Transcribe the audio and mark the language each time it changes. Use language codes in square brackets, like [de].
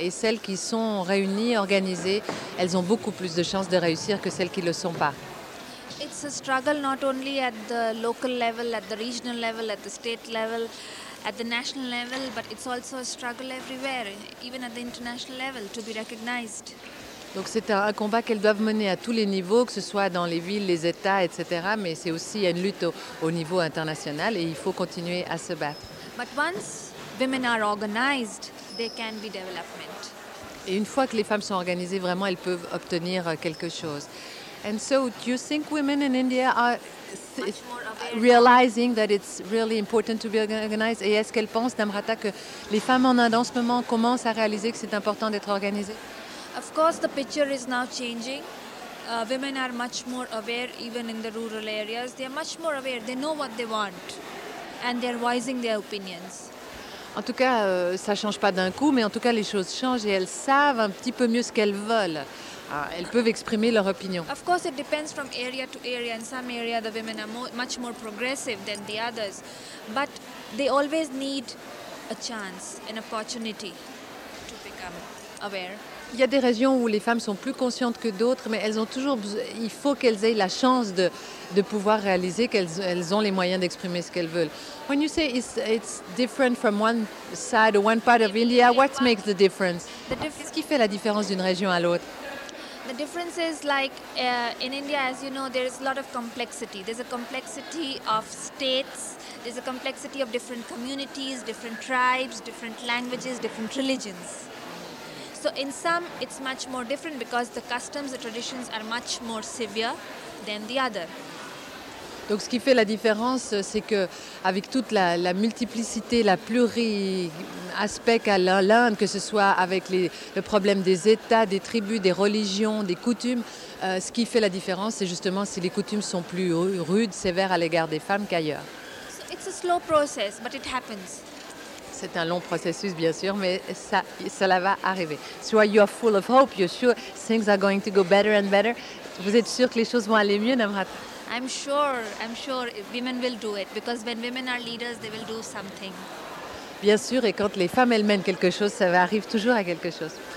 [fr] Et celles qui sont réunies, organisées, elles ont beaucoup plus de chances de réussir que celles qui ne le sont pas. [en] It's a struggle not only at the local level, at the regional level, at the state level, at the national level, but it's also a struggle everywhere, even at the international level, to be recognized. [fr] Donc c'est un combat qu'elles doivent mener à tous les niveaux, que ce soit dans les villes, les États, etc. Mais c'est aussi une lutte au niveau international et il faut continuer à se battre. [en] But once women are organized, there can be development. [fr] Et une fois que les femmes sont organisées, vraiment, elles peuvent obtenir quelque chose. [en] And so, do you think women in India are realizing that it's really important to be organized? [fr] Et est-ce qu'elles pensent, Namrata, que les femmes en Inde en ce moment commencent à réaliser que c'est important d'être organisées? [en] Of course, the picture is now changing. Women are much more aware, even in the rural areas. They are much more aware. They know what they want, and they are voicing their opinions. [fr] En tout cas, ça change pas d'un coup, mais en tout cas, les choses changent et elles savent un petit peu mieux ce qu'elles veulent. Elles peuvent exprimer leur opinion. [en] Of course, it depends from area to area. In some area, the women are much more progressive than the others, but they always need a chance, an opportunity to become aware. [fr] Il y a des régions où les femmes sont plus conscientes que d'autres, mais elles ont toujours il faut qu'elles aient la chance de pouvoir réaliser qu'elles ont les moyens d'exprimer ce qu'elles veulent. [en] When you say it's different from one side or one part of India, what makes the difference? [fr] Qu'est-ce qui fait la différence d'une région à l'autre? [en] The difference is like in India, as you know, there is a lot of complexity. There's a complexity of states. There's a complexity of different communities, different tribes, different languages, different religions. So in some, it's much more different because the customs, the traditions are much more severe than the other. [fr] Donc ce qui fait la différence, c'est que avec toute la multiplicité, la pluri-aspect à l'Inde, que ce soit avec le problème des états, des tribus, des religions, des coutumes, ce qui fait la différence, c'est justement si les coutumes sont plus rudes, sévères à l'égard des femmes qu'ailleurs. [en] So it's a slow process, but it happens. [fr] C'est un long processus, bien sûr, mais cela va arriver. [en] So you are full of hope. You're sure things are going to go better and better. Yes. [fr] Vous êtes sûr que les choses vont aller mieux, Namrata? [en] I'm sure. Women will do it because when women are leaders, they will do something. [fr] Bien sûr, et quand les femmes elles mènent quelque chose, ça arrive toujours à quelque chose.